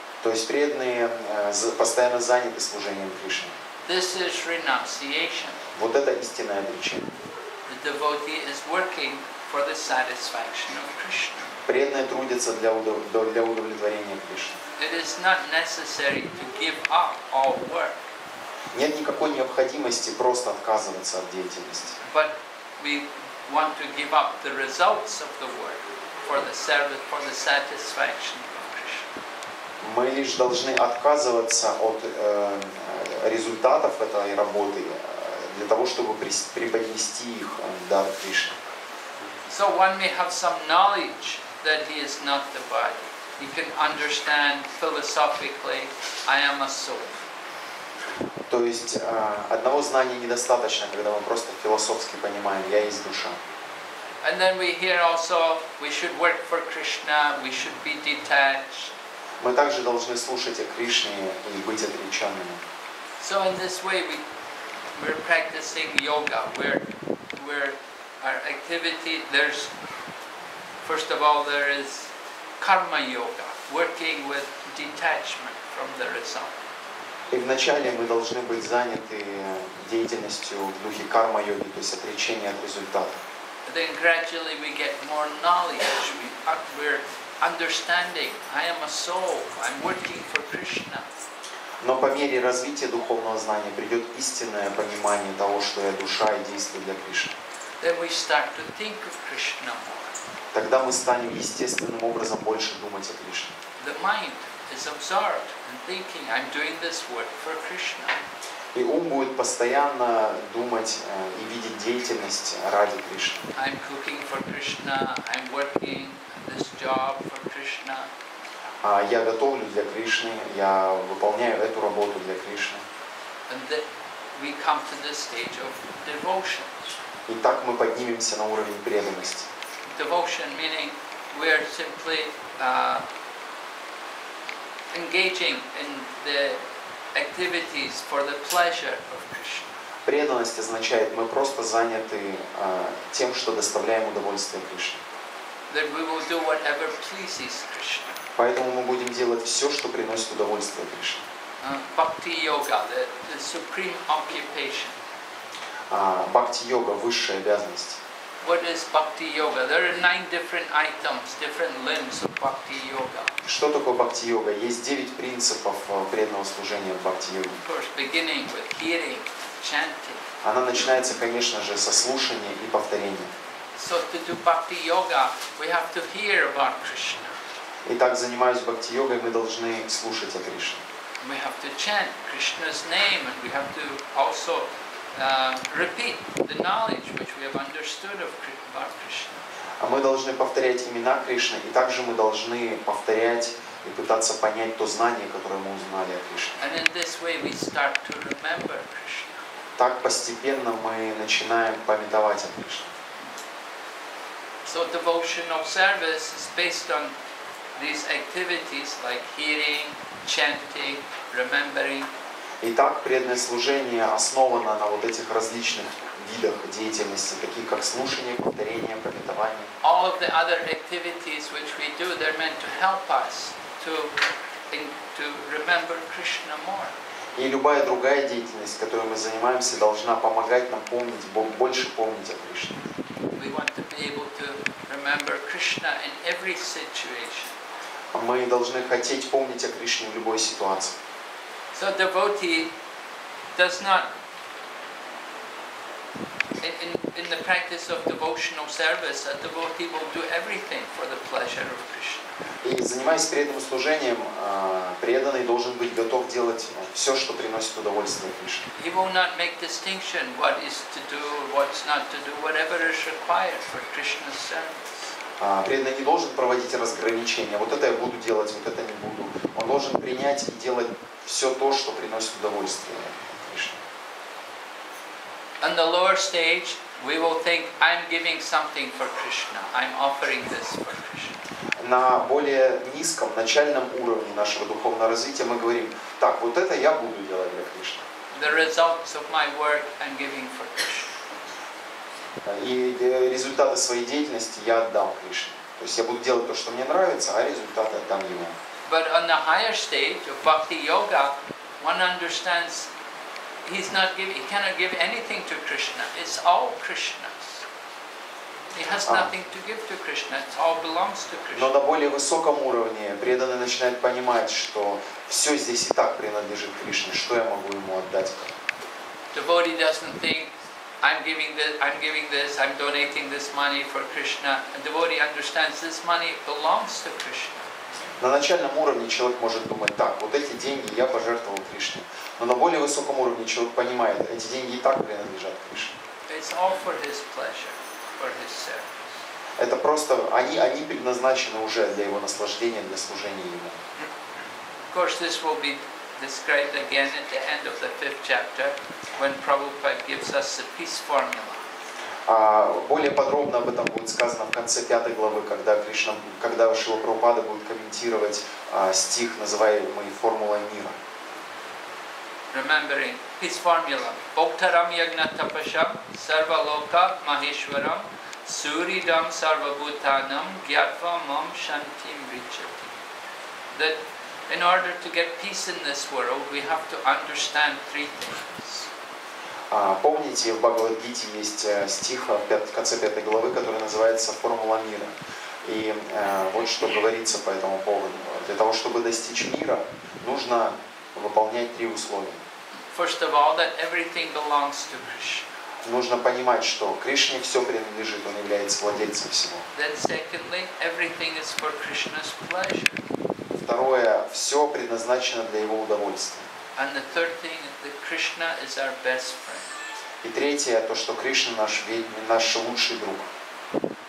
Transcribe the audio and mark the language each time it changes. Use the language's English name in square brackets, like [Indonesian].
[Russian] То есть преданные постоянно заняты служением Кришне. [English] This is renunciation. [Russian] Вот это истинное отречение. [English] The devotee is working for the satisfaction of Krishna. [Russian] Преданные трудятся для удовлетворения Кришны. [English] It is not necessary to give up all work. [Russian] Нет никакой необходимости просто отказываться от деятельности. [English] But we want to give up the results of the work for the service, for the satisfaction of Krishna. [Russian] Мы лишь должны отказываться от результатов этой работы для того, чтобы преподнести их дар Кришне. [English] So one may have some knowledge that he is not the body. He can understand philosophically, I am a soul. [Russian] То есть одного знания недостаточно, когда мы просто философски понимаем, я есть душа. [English] And then we hear also, we should work for Krishna, we should be detached. [Russian] Мы также должны слушать о Кришне и быть отреченными. [English] So in this way we're practicing yoga, where our activity, there's, first of all, there is karma yoga, working with detachment from the result. [Russian] И вначале мы должны быть заняты деятельностью в духе карма-йоги, то есть отречение от результата. [English] Then gradually we get more knowledge, we're understanding, I am a soul, I'm working for Krishna. [Russian] Но по мере развития духовного знания придет истинное понимание того, что я душа и действую для Кришны. [English] Then we start to think of Krishna more. [Russian] Тогда мы станем естественным образом больше думать о Кришне. [English] The mind is absorbed in thinking, I'm doing this work for Krishna. [Russian] И ум будет постоянно думать и видеть деятельность ради Кришны. [English] I'm cooking for Krishna, I'm working this job for Krishna. [Russian] Я готовлю для Кришны, я выполняю эту работу для Кришны. [English] And then we come to the stage of devotion. [Russian] И так мы поднимемся на уровень преданности. [English] Devotion meaning we are simply engaging in the activities for the pleasure of Krishna. [Russian] Преданность означает, мы просто заняты тем, что доставляем удовольствие Кришне. [English] That we will do whatever pleases Krishna. [Russian] Поэтому мы будем делать все, что приносит удовольствие Кришне. [English] Бхакти-йога, the supreme occupation. [Russian] Бхакти-йога – высшая обязанность. [English] What is Bhakti-yoga? There are 9 different items, different limbs of Bhakti-yoga. [Russian] Что такое Бхакти-йога? Есть 9 принципов преданного служения в Бхакти-йоге. [English] Of course, beginning with hearing, chanting. [Russian] Она начинается, конечно же, со слушания и повторения. [English] So to do Bhakti-yoga, we have to hear about Krishna. [Russian] Итак, занимаясь бхакти-йогой, мы должны слушать о Кришне. [English] We have to chant Krishna's name and we have to also repeat the knowledge which we have understood of about Krishna. [Russian] А мы должны повторять имена Кришны, и также мы должны повторять и пытаться понять то знание, которое мы узнали о Кришне. [English] And in this way we start to remember Krishna. [Russian] Так постепенно мы начинаем памятовать о Кришне. [English] So devotion of service is based on these activities like hearing, chanting, remembering. [Russian] Итак, преданное служение основано на вот этих различных видах деятельности, таких как слушание, повторение, памятование. [English] All of the other activities which we do, they're meant to help us to remember Krishna more. [Russian] И любая другая деятельность, которой мы занимаемся, должна помогать нам помнить, больше помнить о Кришне. [English] We want to be able to remember Krishna in every situation. [Russian] Мы должны хотеть помнить о Кришне в любой ситуации. [English] So devotee does not in the practice of devotional service, a devotee will do everything for the pleasure of Krishna. [Russian] И занимаясь преданным служением, преданный должен быть готов делать все, что приносит удовольствие Кришне. [English] He will not make distinction what is to do, what's not to do, whatever is required for Krishna's service. [Russian] Преданный не должен проводить разграничения. Вот это я буду делать, вот это не буду. Он должен принять и делать все то, что приносит удовольствие Кришне. [English] On the lower stage, we will think, I'm giving something for Krishna. I'm offering this for Krishna. [Russian] На более низком, начальном уровне нашего духовного развития мы говорим, так, вот это я буду делать для Кришны. [English] The results of my work I'm giving for Krishna. [Russian] И результаты своей деятельности я отдам Кришне. То есть я буду делать то, что мне нравится, а результаты отдам Ему. [English] But on the higher stage of bhakti yoga, one understands he's not giving, he cannot give anything to Krishna. It's all Krishna's. He has nothing to give to Krishna. It all belongs to Krishna. [Russian] Но на более высоком уровне преданный начинает понимать, что все здесь и так принадлежит Кришне. Что я могу ему отдать? [English] Devotee doesn't think I'm giving this, I'm donating this money for Krishna. A devotee understands this money belongs to Krishna. [Russian] На начальном уровне человек может думать, так, вот эти деньги я пожертвовал Кришне. Но на более высоком уровне человек понимает, эти деньги и так принадлежат Кришне. [English] It's all for his pleasure, for his service. [Russian] Это просто, они предназначены уже для его наслаждения, для служения ему. [English] Of course, this will be described again at the end of the 5th chapter. When Prabhupada gives us the peace formula. [Russian] Более подробно об этом будет сказано в конце 5 главы, когда Шрила Прабхупада будет комментировать стих, называемый формулой мира. [Sanskrit] Remembering peace formula. Bhaktaram yagna tapasham sarva loka maheshwaram suridam sarva bhutanam gyatva mam shantim richati. That [English] In order to get peace in this world, we have to understand three things. [Russian] Помните, в Бхагавад-гите есть стих в конце пятой главы, который называется «Формула мира». И вот что говорится по этому поводу. Для того, чтобы достичь мира, нужно выполнять три условия. [English] First of all, that everything belongs to Krishna. [Russian] Нужно понимать, что Кришне все принадлежит, он является владельцем всего. [English] Then secondly, everything is for Krishna's pleasure. [Russian] Второе, все предназначено для его удовольствия. [English] And the third thing is that Krishna is our best friend. [Russian] И третье, то, что Кришна наш лучший друг.